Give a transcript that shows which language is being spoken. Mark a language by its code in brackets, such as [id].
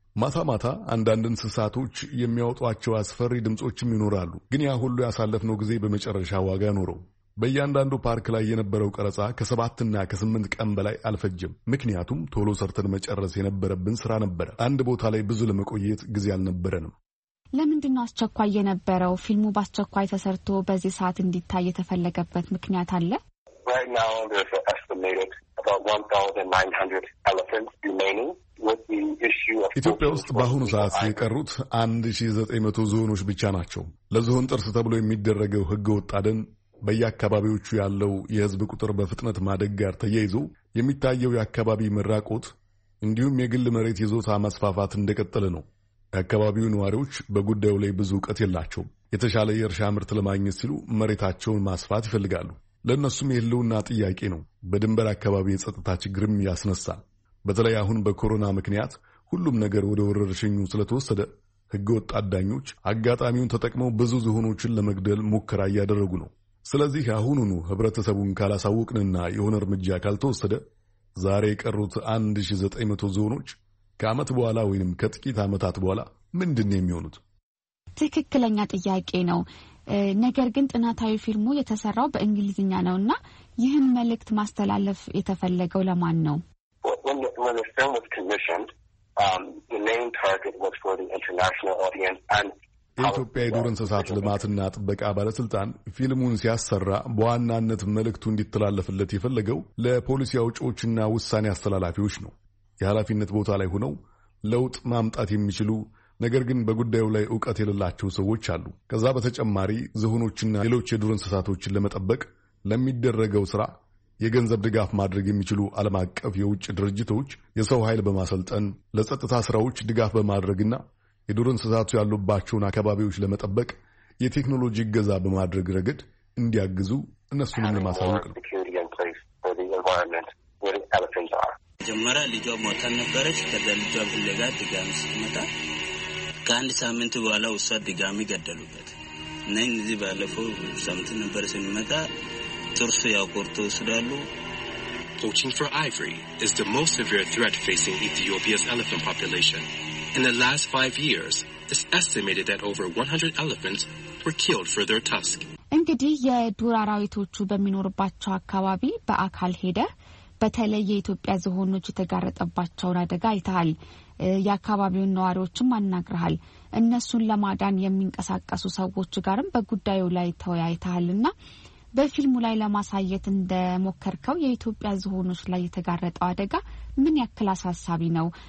[am] ማታ ማታ አንዳንድ እንስሳቶች የሚያወጧቸው አስፈሪ ድምጾችም ይኖራሉ። ግን ያ ሁሉ ያሳለፍነው ጊዜ በመጨረሻ ዋጋ ኖረው። በእያንዳንዱ ፓርክ ላይ የነበረው ቀረጻ ከ7ና ከ8 ቀን በላይ አልፈጀም። ምክንያቱም ቶሎ ሰርተን መጨረስ የነበረብን ስራ ነበር። አንድ ቦታ ላይ ብዙ ለመቆየት ጊዜ አልነበረንም። ለምንድን ነው አስቸኳይ የነበረው? ፊልሙ ባስቸኳይ ተሰርቶ በዚህ ሰዓት እንዲታይ የተፈለገበት ምክንያት አለ? [en] Right now there's an estimated about 1900 elephants remaining. [am] ኢትዮጵያ ውስጥ በአሁኑ ሰዓት የቀሩት 1900 ዝሆኖች ብቻ ናቸው። ለዝሆን ጥርስ ተብሎ የሚደረገው ህገ ወጥ አደን፣ በየአካባቢዎቹ ያለው የህዝብ ቁጥር በፍጥነት ማደግ ጋር ተያይዞ የሚታየው የአካባቢ መራቆት እንዲሁም የግል መሬት ይዞታ መስፋፋት እንደቀጠለ ነው። የአካባቢው ነዋሪዎች በጉዳዩ ላይ ብዙ እውቀት የላቸውም። የተሻለ የእርሻ ምርት ለማግኘት ሲሉ መሬታቸውን ማስፋት ይፈልጋሉ። ለእነሱም የህልውና ጥያቄ ነው። በድንበር አካባቢ የጸጥታ ችግርም ያስነሳል። በተለይ አሁን በኮሮና ምክንያት ሁሉም ነገር ወደ ወረርሽኙ ስለተወሰደ ህገወጥ አዳኞች አጋጣሚውን ተጠቅመው ብዙ ዝሆኖችን ለመግደል ሙከራ እያደረጉ ነው። ስለዚህ አሁኑኑ ህብረተሰቡን ካላሳወቅንና የሆነ እርምጃ ካልተወሰደ ዛሬ የቀሩት 1900 ዝሆኖች ከዓመት በኋላ ወይንም ከጥቂት ዓመታት በኋላ ምንድን ነው የሚሆኑት? ትክክለኛ ጥያቄ ነው። ነገር ግን ጥናታዊ ፊልሙ የተሰራው በእንግሊዝኛ ነውና ይህን መልእክት ማስተላለፍ የተፈለገው ለማን ነው? [en] When the film was commissioned, the main target was for the international audience and [am] ኢትዮጵያ የዱር እንስሳት ልማትና ጥበቃ ባለስልጣን ፊልሙን ሲያሰራ በዋናነት መልእክቱ እንዲተላለፍለት የፈለገው ለፖሊሲ አውጪዎችና ውሳኔ አስተላላፊዎች ነው። የኃላፊነት ቦታ ላይ ሆነው ለውጥ ማምጣት የሚችሉ ነገር ግን በጉዳዩ ላይ እውቀት የሌላቸው ሰዎች አሉ። ከዛ በተጨማሪ ዝሆኖችና ሌሎች የዱር እንስሳቶችን ለመጠበቅ ለሚደረገው ስራ የገንዘብ ድጋፍ ማድረግ የሚችሉ ዓለም አቀፍ የውጭ ድርጅቶች የሰው ኃይል በማሰልጠን ለጸጥታ ስራዎች ድጋፍ በማድረግና የዱር እንስሳቱ ያሉባቸውን አካባቢዎች ለመጠበቅ የቴክኖሎጂ እገዛ በማድረግ ረገድ እንዲያግዙ እነሱንም ለማሳወቅ ነው። መጀመሪያ ልጇ ሞታ ነበረች። ከዛ ልጇ ፍለጋ ድጋሚ ስትመጣ ከአንድ ሳምንት በኋላ እሷ ድጋሚ ገደሉበት። እነኝ እዚህ ባለፈው ሳምንት ነበር ስንመጣ ጥርሱ ያቆርጡ ስላሉ። [en] Poaching for ivory is the most severe threat facing Ethiopia's elephant population. In the last 5 years, it's estimated that over 100 elephants were killed for their tusk. [am] እንግዲህ የዱር አራዊቶቹ በሚኖርባቸው አካባቢ በአካል ሄደ በተለይ የኢትዮጵያ ዝሆኖች የተጋረጠባቸውን አደጋ አይተሃል። የአካባቢው ነዋሪዎችም አናግረሃል። እነሱን ለማዳን የሚንቀሳቀሱ ሰዎች ጋርም በጉዳዩ ላይ ተወያይተሃልና በፊልሙ ላይ ለማሳየት እንደሞከርከው የኢትዮጵያ ዝሆኖች ላይ የተጋረጠው አደጋ ምን ያክል አሳሳቢ ነው?